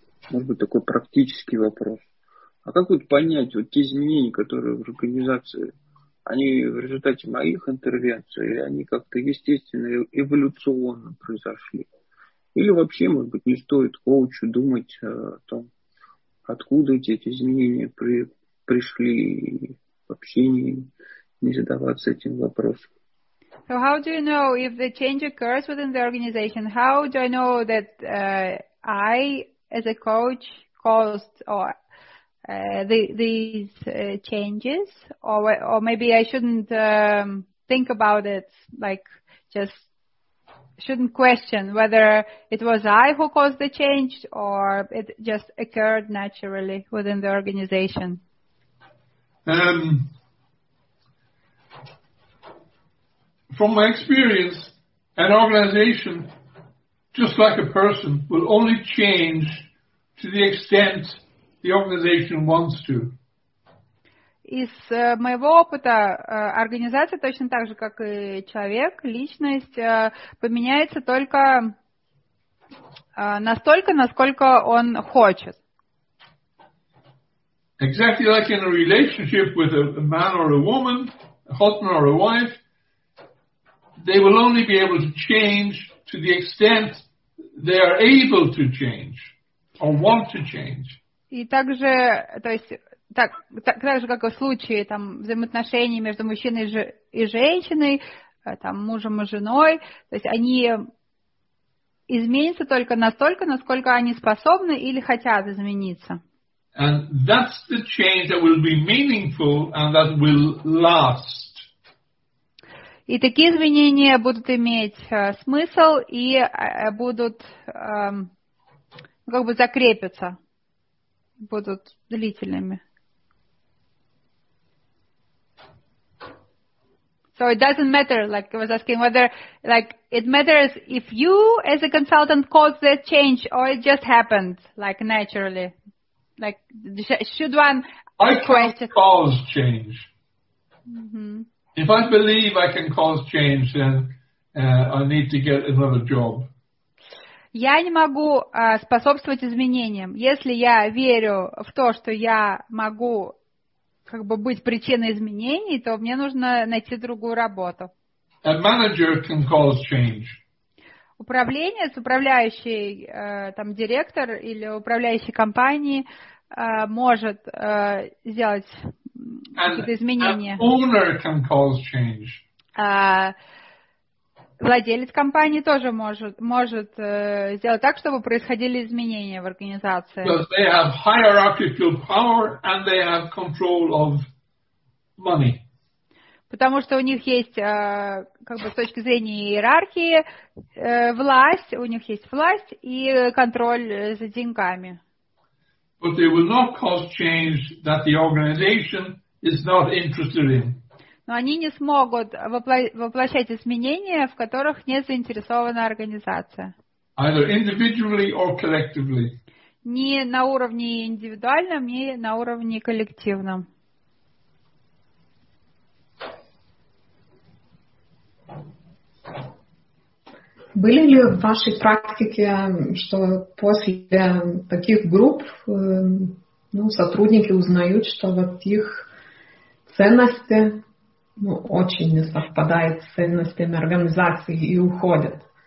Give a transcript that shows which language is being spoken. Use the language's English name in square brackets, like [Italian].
[Russian] Может быть, такой практический вопрос. А как вот понять, вот те изменения, которые в организации, они в результате моих интервенций, или они как-то естественно, эволюционно произошли? Или вообще, может быть, не стоит коучу думать о том, откуда эти изменения пришли, вообще не задаваться этим вопросом? [English] So how do you know if the change occurs within the organization? How do I know that I, as a coach, caused or these changes, or maybe I shouldn't think about it, like just shouldn't question whether it was I who caused the change or it just occurred naturally within the organization. From my experience, an organization, just like a person, will only change to the extent the organization wants to. Из моего опыта, организация точно так же, как и человек, личность, поменяется только настолько, насколько он хочет. Exactly like in a relationship with a man or a woman, a husband or a wife, they will only be able to change to the extent they are able to change or want to change. И также, то есть, так же, как и в случае там взаимоотношений между мужчиной и женщиной, там мужем и женой, то есть они изменятся только настолько, насколько они способны или хотят измениться. And that's the change that will be meaningful and that will last. И такие изменения будут иметь смысл и будут как бы закрепиться, будут длительными. So it doesn't matter, like I was asking, whether like it matters if you as a consultant caused that change or it just happened like naturally. Like should one I can't cause change. Mm-hmm. If I believe I can cause change, then I need to get another job. [Russian] Я не могу способствовать изменениям. Если я верю в то, что я могу как бы быть причиной изменений, то мне нужно найти другую работу. [English] A manager can cause change. [Russian] Управленец, управляющий там директор или управляющий компанией может сделать какие-то изменения. [English] An owner can cause change. [Russian] Владелец компании тоже может сделать так, чтобы происходили изменения в организации. [English] Because they have hierarchical power and they have control of money. [Russian] Потому что у них есть как бы с точки зрения иерархии власть, у них есть власть и контроль за деньгами. [English] But they will not cause change that the organization is not interested in. [Russian] Но они не смогут воплощать изменения, в которых не заинтересована организация. [English] Either individually or collectively. [Russian] Ни на уровне индивидуальном, ни на уровне коллективном. Были ли в вашей практике, что после таких групп сотрудники узнают, что вот их ценности очень не совпадают с ценностями организации и уходят?